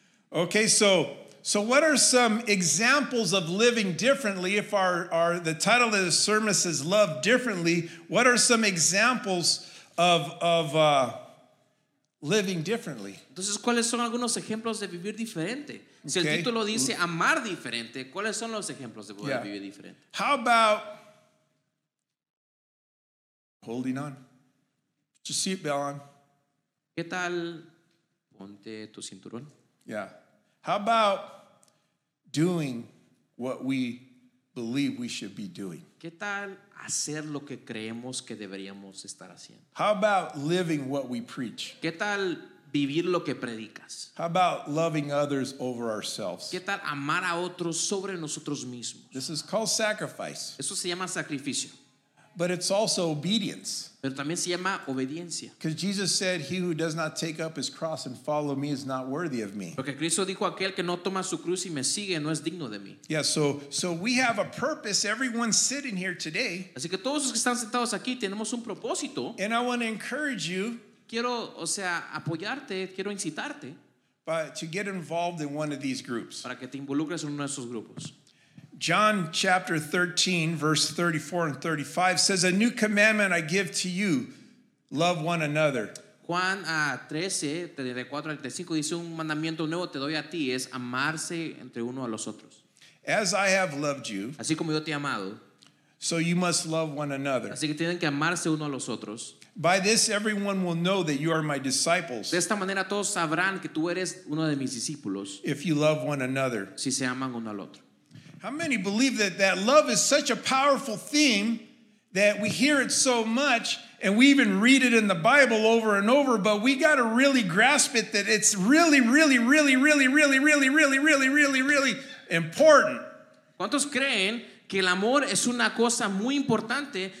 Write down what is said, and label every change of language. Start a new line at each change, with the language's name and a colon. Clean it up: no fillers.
English: Okay, so what are some examples of living differently? If our the title of the sermon says love differently, what are some examples of living differently?
Spanish: Entonces, ¿cuáles son algunos ejemplos de vivir diferente? Si el título dice amar diferente, ¿cuáles son los ejemplos de poder vivir diferente?
English: How about holding on? Put your seatbelt on.
Spanish: ¿Qué tal? Ponte tu cinturón.
English: Yeah. How about doing what we believe we should be doing?
Spanish: ¿Qué tal hacer lo que creemos que deberíamos estar haciendo?
English: How about living what we preach?
Spanish: ¿Qué tal vivir lo que predicas?
English: How about loving others over ourselves?
Spanish: ¿Qué tal amar a otros sobre nosotros mismos?
English: This is called sacrifice.
Spanish: Eso se llama sacrificio.
English: But it's also obedience.
Spanish: Pero también se llama obediencia.
English: Because Jesus said, he who does not take up his cross and follow me is not worthy of me.
Spanish: Porque Cristo dijo, aquel que no toma su cruz y me sigue no es digno de mí.
English: Yeah, so we have a purpose, everyone sitting here today.
Spanish: Así que todos los que están sentados aquí tenemos un propósito.
English: And I want to encourage you.
Spanish: Quiero, o sea, apoyarte, quiero incitarte.
English: But to get involved in one of these groups.
Spanish: Para que te involucres en uno de esos grupos.
English: John chapter 13, verse 34 and 35 says, a new commandment I give to you, love one another.
Spanish: Juan 13, 34 al 35 dice, un mandamiento nuevo te doy a ti, es amarse entre uno a los otros.
English: As I have loved you,
Spanish: así como yo te he amado,
English: so you must love one another.
Spanish: Así que tienen que amarse uno a los otros.
English: By this everyone will know that you are my disciples.
Spanish: De esta manera todos sabrán que tú eres uno de mis discípulos.
English: If you love one another.
Spanish: Si se aman uno al otro.
English: How many believe that love is such a powerful theme that we hear it so much and we even read it in the Bible over and over, but we got to really grasp it that it's really, really, really, really, really, really, really, really, really, really important.
Spanish: ¿Cuántos creen que el amor es una cosa muy importante?